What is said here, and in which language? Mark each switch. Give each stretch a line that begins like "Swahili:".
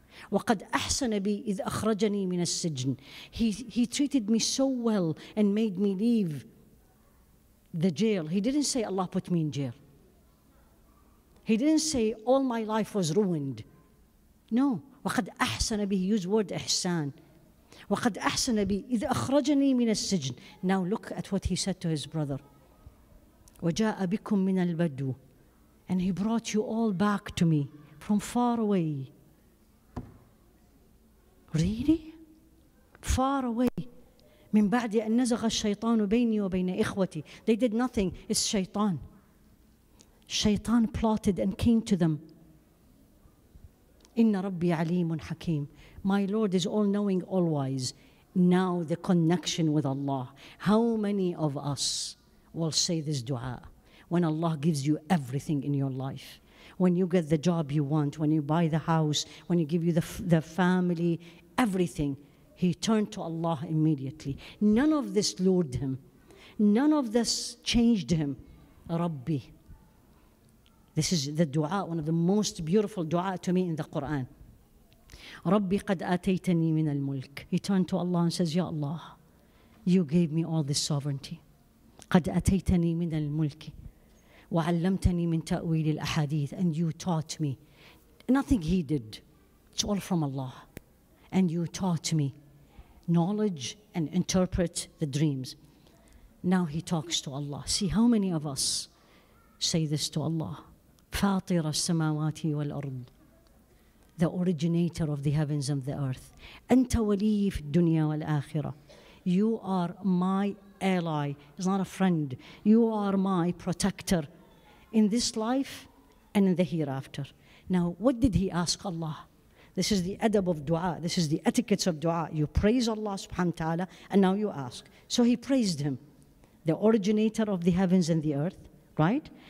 Arabic: وَقَدْ أَحْسَنَ بِي إِذْ أَخْرَجَنِي مِنَ السِّجْنِ.
English: He treated me so well and made me leave the jail. He didn't say Allah put me in jail. He didn't say all my life was ruined. No.
Arabic: وَقَدْ أَحْسَنَ بِي.
English: He used word
Arabic: إحسان. وَقَدْ أَحْسَنَ بِي إِذْ أَخْرَجَنِي مِنَ السِّجْنِ.
English: Now look at what he said to his brother.
Arabic: وَجَاءَ بِكُم مِنَ الْبَدُو.
English: And he brought you all back to me from far away. Really? Far away.
Arabic: من بعد أن نزغ الشيطان بيني وبين إخوتي.
English: They did nothing. It's shaitan. Shaitan plotted and came to them.
Arabic: إن ربي عليم حكيم.
English: My Lord is all-knowing, all-wise. Now the connection with Allah. How many of us will say this dua when Allah gives you everything in your life? When you get the job you want, when you buy the house, when you give you the family, everything, he turned to Allah immediately. None of this lured him. None of this changed him. Rabbi. This is the dua, one of the most beautiful dua to me in the Quran.
Arabic: Rabbi قد آتيتني من الملك.
English: He turned to Allah and says, Ya Allah, you gave me all this sovereignty.
Arabic: قد آتيتني من الملك وعلمتني من تأويل الأحاديث.
English: And you taught me. Nothing he did. It's all from Allah. And you taught me knowledge and interpret the dreams. Now he talks to Allah. See how many of us say this to Allah.
Arabic: فاطر السماوات والأرض.
English: The originator of the heavens and the earth.
Arabic: أنت ولي في الدنيا والآخرة.
English: You are my ally. He's not a friend. You are my protector in this life and in the hereafter. Now what did he ask Allah? This is the adab of dua. This is the etiquettes of dua. You praise Allah subhanahu wa ta'ala, and now you ask. So he praised him, the originator of the heavens and the earth, right?